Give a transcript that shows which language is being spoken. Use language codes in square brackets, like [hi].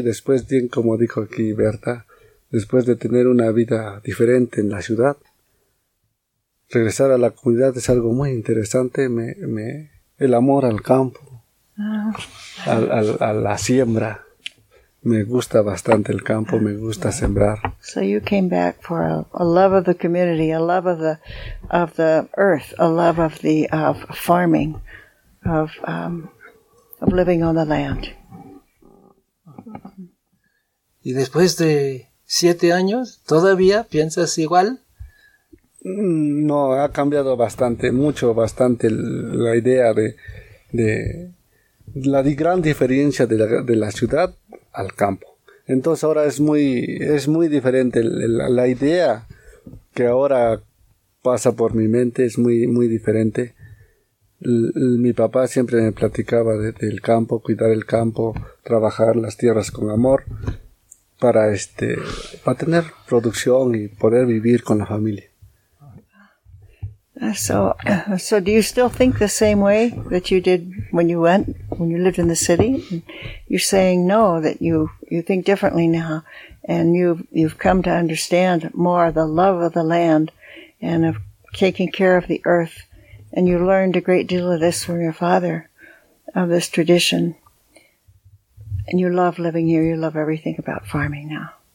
[es] Después, bien como dijo aquí Berta, después de tener una vida diferente en la ciudad, regresar a la comunidad es algo muy interesante, me el amor al campo, a la siembra. Me gusta bastante el campo, me gusta sembrar. [en] So you came back for a love of the community, a love of the earth, a love of the of farming, of living on the land. [es] Y después de 7 años, ¿todavía piensas igual? No, ha cambiado bastante, mucho, bastante la idea de la gran diferencia de la ciudad al campo. Entonces ahora es muy diferente la idea que ahora pasa por mi mente, es muy, muy diferente. Mi papá siempre me platicaba del campo, cuidar el campo, trabajar las tierras con amor para tener producción y poder vivir con la familia. [en] So do you still think the same way that you did when you lived in the city? You're saying no, that you think differently now, and you've come to understand more the love of the land and of taking care of the earth, and you learned a great deal of this from your father, of this tradition, and you love living here, you love everything about farming now.